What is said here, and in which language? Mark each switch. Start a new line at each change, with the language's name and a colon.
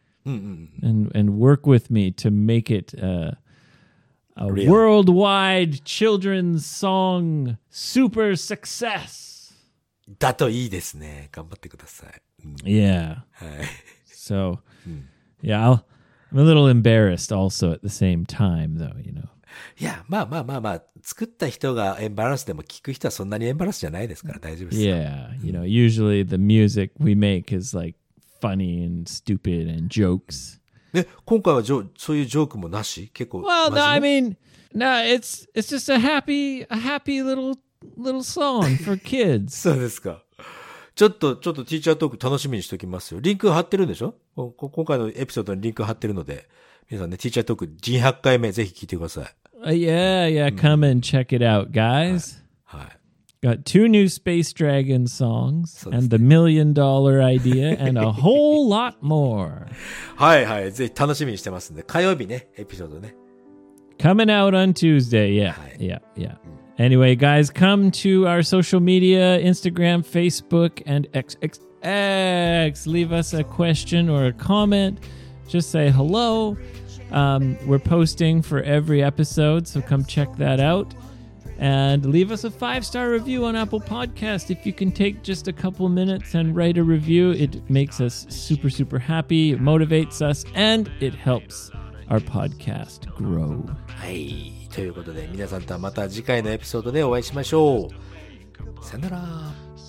English: And work with me to make it a worldwide children's song super success.
Japanese: だといいですね。頑張ってください。
English: Yeah.
Japanese: はい。
English: So, yeah, I'm a little embarrassed also at the same time, though, you know.
Japanese: いや、まあまあまあまあ、作った人がエンバランスでも聞く人はそんなにエンバランスじゃないですから大丈夫ですよ。
English: Yeah, you know, usually the music we make is like,Funny and stupid and jokes.
Japanese: え、今回はそういうジョークもなし？結構。
English: Well, no, I mean, no, it's just a happy little song for kids.
Japanese: そうですか。ちょっとティーチャートーク楽しみにしておきますよ。リンク貼ってるんでしょ？今回のエピソードにリンク貼ってるので、皆さんね、ティーチャートーク200回目ぜひ聞いてください。
English: Yeah, come and check it out, guys.
Japanese: はい。はい
English: Got two new Space Dragon songs and the Million Dollar Idea and a whole lot more.
Japanese: はいはい、ぜひ楽しみにしてますんで、火曜日ね、エピソードね。
English: Coming out on Tuesday, yeah,、はい、yeah, yeah. Anyway, guys, come to our social media, Instagram, Facebook, and XXX. Leave us a question or a comment. Just say hello. We're posting for every episode, so come check that out. And leave us a 5-star review on Apple Podcast. If you can take just a couple minutes and write a review, it makes us super, super happy. It motivates us and it helps our podcast grow.
Japanese: はい、ということで皆さんとはまた次回のエピソードでお会いしましょう。さよなら。